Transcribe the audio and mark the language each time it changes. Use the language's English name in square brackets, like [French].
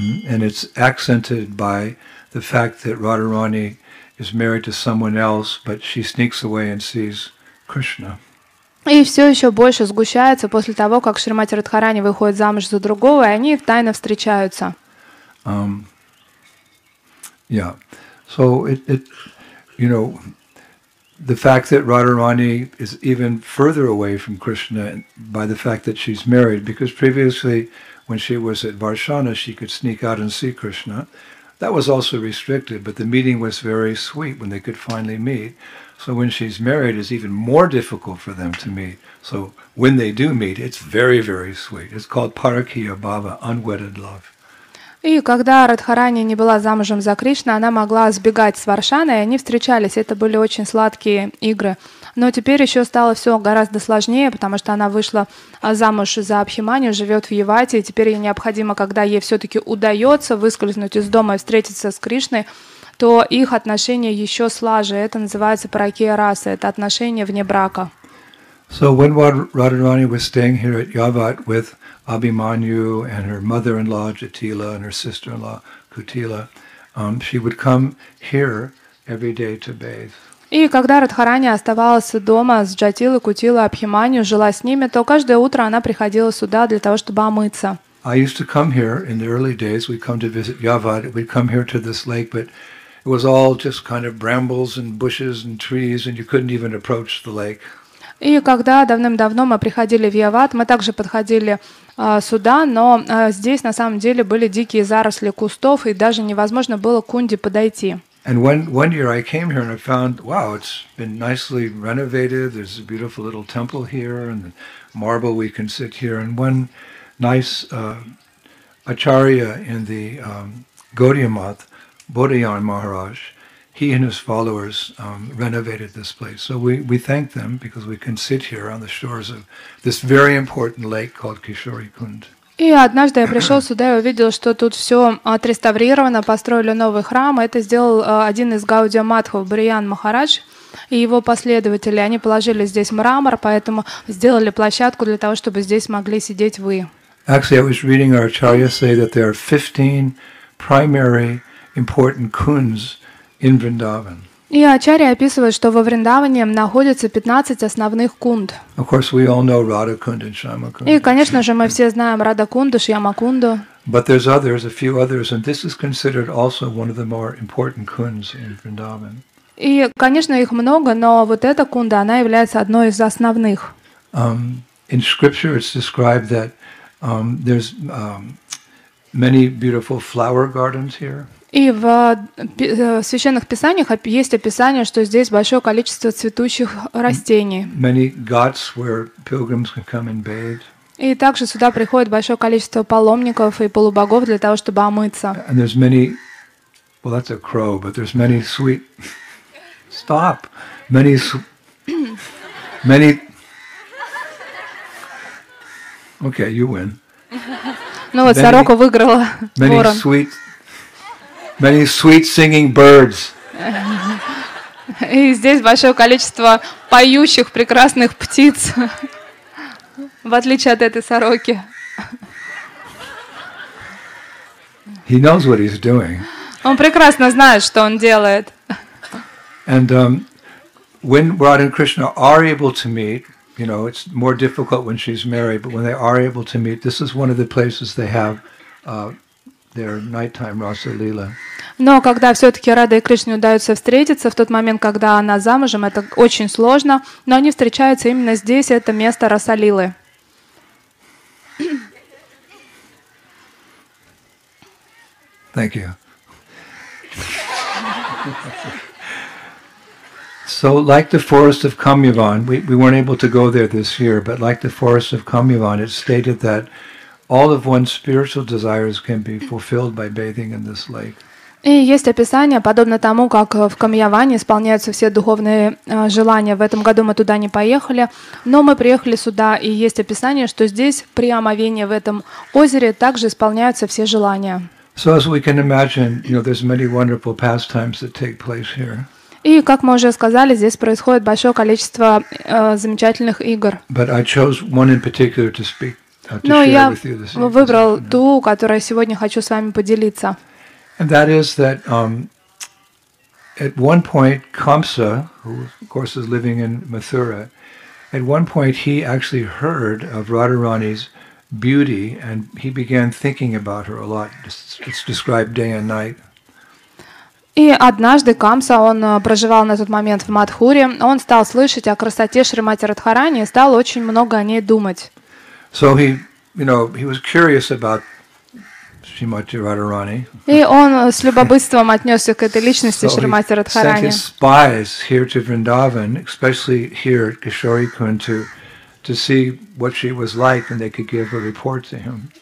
[English] And it's accented by the fact that Radharani is married to someone else, but she sneaks away and sees Krishna. [Russian] И все еще больше сгущается после того, как Шримати Радхарани выходит замуж за другого, и они тайно встречаются. [English] So it you know, the fact that Radharani is even further away from Krishna by the fact that she's married, because previously when she was at Varshana, she could sneak out and see Krishna. That was also restricted, but the meeting was very sweet when they could finally meet. So when she's married, it's even more difficult for them to meet. So when they do meet, it's very, very sweet. It's called Parakiya Bhava, unwedded love. [Russian] И когда Радхарани не была замужем за Кришной, она могла сбегать с Варшаны, и они встречались. Это были очень сладкие игры. Но теперь еще стало все гораздо сложнее, потому что она вышла замуж за Абхиманию, живет в Явате, и теперь ей необходимо, когда ей все-таки удается выскользнуть из дома и встретиться с Кришной, то их отношения еще слаже. Это называется паракия раса, это отношения вне брака. [English] So when Radharani was staying here at Yavat with Abhimanyu and her mother-in-law Jatila and her sister-in-law Kutila, she would come here every day to bathe. [Russian] И когда Радхарани оставалась дома с Джатилой, Кутилой, Абхиманью, жила с ними, то каждое утро она приходила сюда для того, чтобы омыться. [English] I used to come here in the early days. We'd come to visit Yavad. We'd come here to this lake, but it was all just kind of brambles and bushes and trees, and you couldn't even approach the lake. [Russian] И когда давным-давно мы приходили в Яват, мы также подходили сюда, но здесь на самом деле были дикие заросли кустов, и даже невозможно было к Кунди подойти. [English] And one year I came here and I found, wow, it's been nicely renovated. There's a beautiful little temple here and the marble we can sit here. And one nice acharya in the Gaudiya Math, Bodhayan Maharaj, he and his followers renovated this place. So we thank them because we can sit here on the shores of this very important lake called Kishori Kund. [Russian] И однажды я пришел сюда и увидел, что тут все отреставрировано, построили новый храм. Это сделал один из Гаудия Матхов, Бриян Махарадж, и его последователи. Они положили здесь мрамор, поэтому сделали площадку для того, чтобы здесь могли сидеть вы. [English] Actually, I was reading our Acharya say that there are 15 primary important kunds in Vrindavan. [Russian] И Ачарья описывает, что во Вриндаване находится 15 основных кунд. [English] Of course, we all know Radha Kund and Shyama Kund. [Russian] И, конечно же, мы все знаем Radha Kund, Shyama Kund. [English] But there's others, a few others, and this is considered also one of the more important kunds in Vrindavan. [Russian] И, конечно, их много, но вот эта кунда, она является одной из основных. [English] In scripture it's described that there's many beautiful flower gardens here. [Russian] И в священных писаниях есть описание, что здесь большое количество цветущих растений. [English] Many ghats where pilgrims can come and bathe. [Russian] И также сюда приходит большое количество паломников и полубогов для того, чтобы омыться. [English] And there's many, well, that's a crow, but there's many sweet, stop, many, many, okay, you win. [Russian] Ну вот сорока выиграла. [English] Many sweet. Many sweet singing birds. [Russian] И здесь большое количество поющих прекрасных птиц, в отличие от этой сороки. [English] He knows what he's doing. [Russian] Он прекрасно знает, что он делает. [English] And when Radha and Krishna are able to meet, you know, it's more difficult when she's married, but when they are able to meet, this is one of the places they have their nighttime Rasa Lila. [Russian] Но когда все-таки Рада и Кришне удаются встретиться, в тот момент, когда она замужем, это очень сложно, но они встречаются именно здесь, это место Расалилы. [English] Thank you. So, like the forest of Kamyavan, we weren't able to go there this year, but like the forest of Kamyavan, it's stated that all of one's spiritual desires can be fulfilled by bathing in this lake. [Russian] И есть описание, подобно тому, как в Камьяване исполняются все духовные желания. В этом году мы туда не поехали, но мы приехали сюда, и есть описание, что здесь, при омовении в этом озере, также исполняются все желания. [English] So as we can imagine, you know, there's many wonderful pastimes that take place here. [Russian] И, как мы уже сказали, здесь происходит большое количество замечательных игр. [English] But I chose one in particular to speak, [Russian] но я выбрал ту, которую сегодня хочу с вами поделиться. [English] And that is that at one point Kamsa, who of course is living in Mathura, at one point he actually heard of Radharani's beauty and he began thinking about her a lot. It's described day and night. [Russian] И однажды Камса, он проживал на тот момент в Матхуре, он стал слышать о красоте Шримати Радхарани и стал очень много о ней думать. [English] So he, you know, he was curious about Shrimati Radharani. [Russian] И он с любопытством отнесся к этой личности Шримати Радхарани. [English] So he sent his spies here to Vrindavan, especially here at Kishori Kund, to see what she was like, and they could give a report to him.